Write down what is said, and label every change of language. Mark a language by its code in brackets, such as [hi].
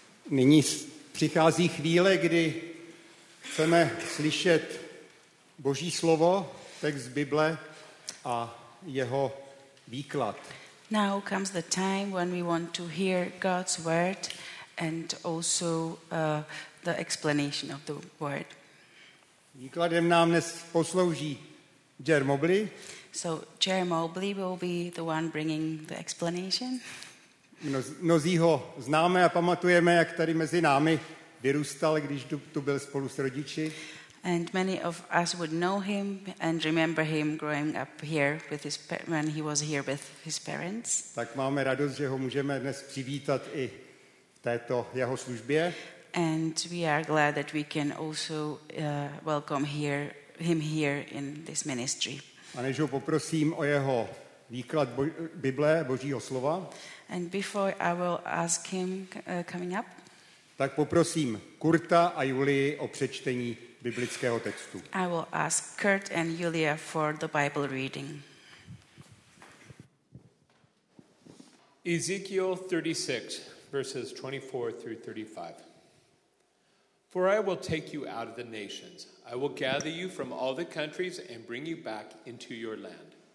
[cs] Nyní přichází chvíle, kdy chceme slyšet Boží slovo. text Bible a jeho výklad. [en] Now comes the time when we want to hear God's word and also the explanation of the word. [cs] Výkladem nám dnes poslouží Jer Mobley. [en] So Jer Mobley will be the one bringing the explanation. [cs] Mnozí ho známe a pamatujeme, jak tady mezi námi vyrůstal, když tu byl spolu s rodiči. [en] And many of us would know him and remember him growing up here with his when he was here with his parents. [cs] Tak máme radost, že ho můžeme dnes přivítat i v této jeho službě. [en] And we are glad that we can also welcome here him here in this ministry. [cs] A než ho poprosím o jeho výklad Bible, Božího slova. [en] And before I will ask him coming up. [cs] Tak poprosím Kurta a Julii o přečtení biblického textu. [en] I will ask Kurt and Julia for the Bible reading. Ezekiel 36, verses 24 through 35. For I will take you out of the nations. I will gather you from all the countries and bring you back into your land.